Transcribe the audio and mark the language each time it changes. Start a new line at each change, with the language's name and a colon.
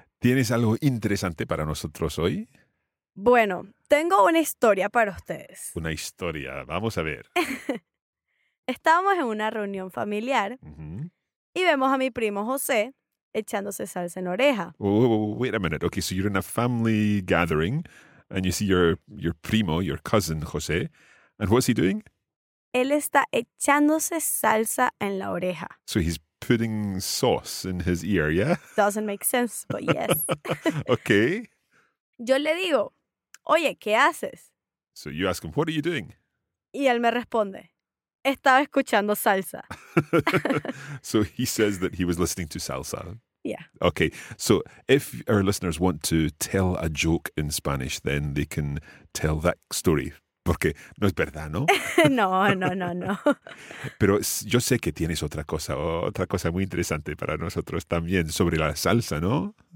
Spanish: ¿Tienes algo interesante para nosotros hoy? Bueno, tengo una historia para ustedes. Una historia. Vamos a ver. Estábamos en una reunión familiar y vemos a mi primo José echándose salsa en oreja.
English: Oh, wait a minute. Okay, so you're in a family gathering and you see your primo, your cousin José. And what's he doing?
Spanish: Él está echándose salsa en la oreja.
English: So he's putting sauce in his ear, yeah? Doesn't make sense, but yes. Okay.
Spanish: Yo le digo, oye, ¿qué haces?
English: So you ask him, what are you doing?
Spanish: Y él me responde, estaba escuchando salsa.
English: So he says that he was listening to salsa. Yeah. Okay, so if our listeners want to tell a joke in Spanish, then they can tell that story.
Spanish: Porque no es verdad, ¿no? No. Pero yo sé que tienes otra cosa muy interesante para nosotros también sobre la salsa, ¿no?